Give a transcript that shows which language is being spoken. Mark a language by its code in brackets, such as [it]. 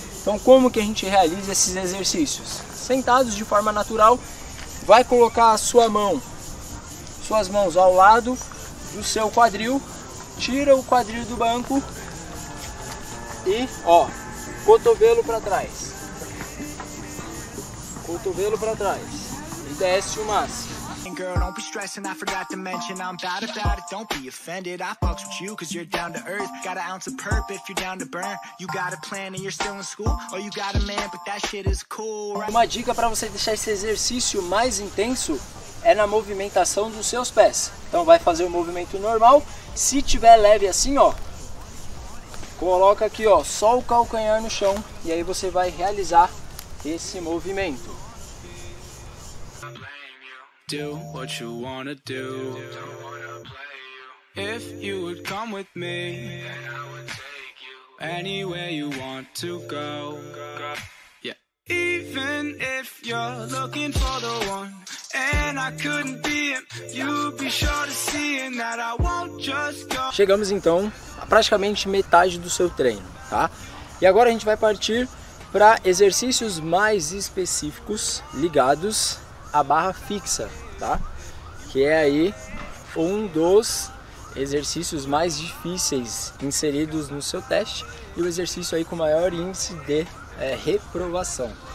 [pt] Então como que a gente realiza esses exercícios? Sentados de forma natural, vai colocar a sua mão, suas mãos ao lado do seu quadril, tira o quadril do banco e ó, cotovelo para trás. Cotovelo para trás. E desce o máximo. [en] Girl, don't be stressing, I forgot to mention I'm bad about it. Don't be offended. I fucks with you cause you're down to earth. Got an ounce of perp if you're down to burn. You got a plan and you're still in school. Or you got a man, but that shit is cool. [pt] Uma dica para você deixar esse exercício mais intenso é na movimentação dos seus pés. Então vai fazer o movimento normal. Se tiver leve assim, ó, coloca aqui, ó, só o calcanhar no chão e aí você vai realizar esse movimento. [en] Do what you wanna do. If you would come with me, then I would take you anywhere you want to go. Yeah. Even if you're looking for the one and I couldn't be him, you'd be sure to see that I won't just go. [pt] Chegamos então praticamente metade do seu treino, tá? E agora a gente vai partir para exercícios mais específicos ligados à barra fixa, tá? Que é aí um dos exercícios mais difíceis inseridos no seu teste e o exercício aí com maior índice de reprovação.